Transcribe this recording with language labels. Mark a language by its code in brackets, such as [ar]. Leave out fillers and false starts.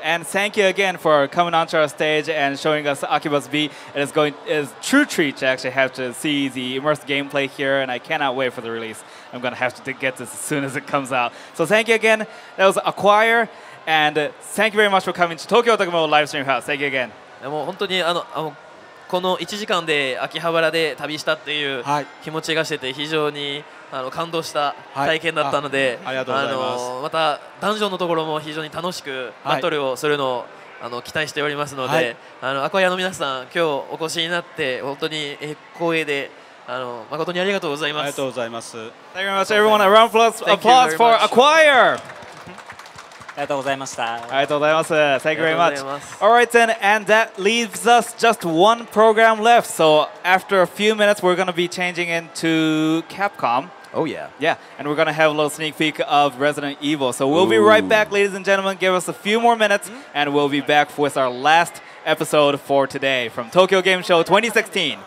[en] And thank you again for coming onto our stage and showing us Akibus B. It is a true treat to actually have to see the immersive gameplay here, and I cannot wait for the release. I'm going to have to get this as soon as it comes out. So thank you again. That was Acquire. And thank you very much for coming to Tokyo Otakumo Livestream House. Thank you again. [ja] もう本当にあのこの1時間で秋葉原で旅したっていう気持ちがしてて非常にあの感動した体験だったので、はい、ありがとうございます。あのまたダンジョンのところも非常に楽しくバトルをするのを、はい、あの期待しておりますので、はい、あのアクアイアの皆さん今日お越しになって本当に光栄で、あの誠にありがとうございます。ありがとうございます。 [en] Thank you very much everyone. A round of applause for Acquire. [ja] ありがとうございました。ありがとうございます。 [en] Thank you very much. Alright then, and that leaves us just one program left, so after a few minutes we're going to be changing into Capcom. Oh yeah. Yeah, and we're going to have a little sneak peek of Resident Evil, so we'll、Ooh. Be right back, ladies and gentlemen. Give us a few more minutes、mm-hmm. and we'll be back with our last episode for today from Tokyo Game Show 2016.